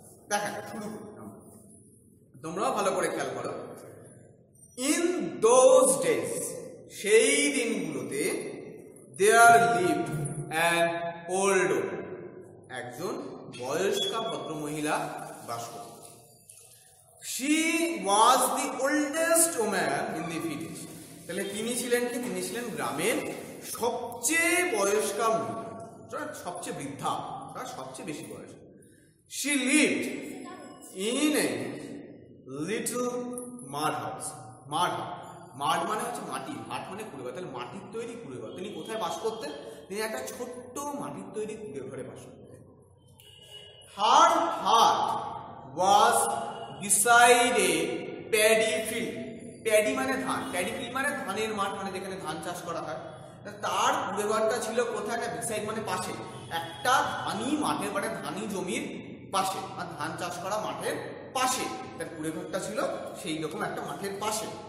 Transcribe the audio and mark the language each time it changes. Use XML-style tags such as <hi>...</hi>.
<bn>দেখা যাক, শুরু করি, তোমরাও ভালো করে খেয়াল করো।</bn> <en>in those days,</en> <bn>সেই দিনগুলোতে,</bn> <en>there lived an old,</en> <bn>একজন বয়স্কা ভদ্রমহিলা বাস করত।</bn> <en>She was the oldest woman in the village.</en> <bn>তাহলে তিনি ছিলেন কি, তিনি ছিলেন গ্রামের সবচেয়ে বয়স্কা মহিলা, সবচেয়ে বৃদ্ধা, সবচেয়ে বেশি বয়স।</bn> <en>She lived in a little mud house.</en> <bn>মাড মানে হচ্ছে মাটি, মাট মানে কুঁড়েঘর, তাহলে মাটির তৈরি কুঁড়েঘর। তিনি কোথায় বাস করতেন? তিনি একটা ছোট্ট মাটির তৈরি কুঁড়েঘরে বাস করতেন।</bn> <en>Her heart was beside a paddy field.</en> <bn>Paddy মানে ধান, প্যাডি ফিল্ড মানে ধানের মাঠ, মানে যেখানে ধান চাষ করা হয়। তার কুঁড়েঘরটা ছিল কোথায়? একটা বিসাইড মানে পাশে, একটা ধানি মাঠের মানে ধানি জমির পাশে, আর ধান চাষ করা মাঠের পাশে তার কুঁড়েঘরটা ছিল, সেই রকম একটা মাঠের পাশে।</bn>